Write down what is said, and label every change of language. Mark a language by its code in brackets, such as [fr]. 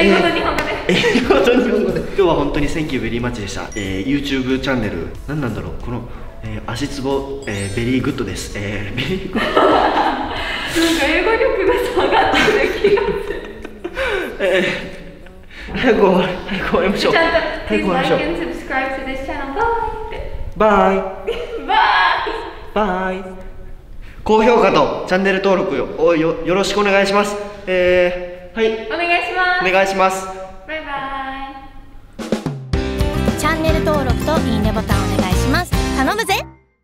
[ja] 英語と日本語で、今日は本当に [en] Thank you very much [ja] でした。YouTube チャンネル、何なんだろう、この、足つぼ、ベリーグッドです。ベリーグッドなんか英語力が下がってる気がする。早く終わりましょう。ちゃんと、 [en] please like and subscribe to this channel. バイバイ [ja] バイ、高評価とチャンネル登録をよろしくお願いします。はい、お願いします。バイバイ。チャンネル登録といいねボタンお願いします。頼むぜ。